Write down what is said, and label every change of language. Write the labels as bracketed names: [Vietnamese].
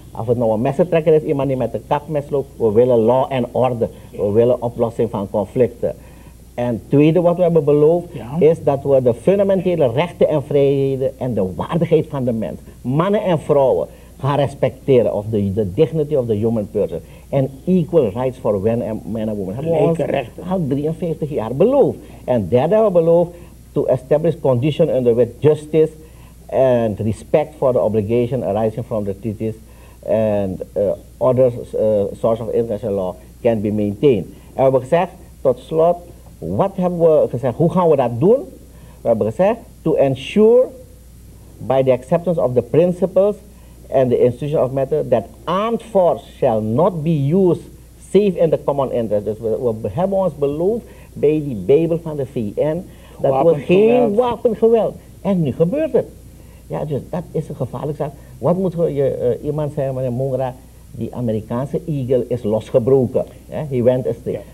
[Dutch] Of het nou een messentrekker is, iemand die met de kapmes loopt, we willen [English] law and order, [Dutch] we willen oplossing van conflicten. En het tweede wat we hebben beloofd is dat we de fundamentele rechten en vrijheden en de waardigheid van de mens, mannen en vrouwen, gaan respecteren, of de [English] dignity of the human person. En equal rights for men and women. [Dutch] Hebben we ons rechten. Al 53 jaar beloofd. En derde hebben we beloofd [English] to establish condition under which justice and respect for the obligation arising from the treaties and other source of international law can be maintained. [Dutch] En we hebben gezegd, tot slot, wat hebben we gezegd, hoe gaan we dat doen? We hebben gezegd, [English] to ensure by the acceptance of the principles and the institution of matter that armed force shall not be used safe in the common interest. [Dutch] Dus we hebben ons beloofd bij die Bijbel van de VN dat we geen wapengeweld. En nu gebeurt het. Ja, dus dat is een gevaarlijk zaak. Wat moet je iemand zeggen, meneer Mongra, die Amerikaanse eagle is losgebroken. [English] He went astray. Yeah.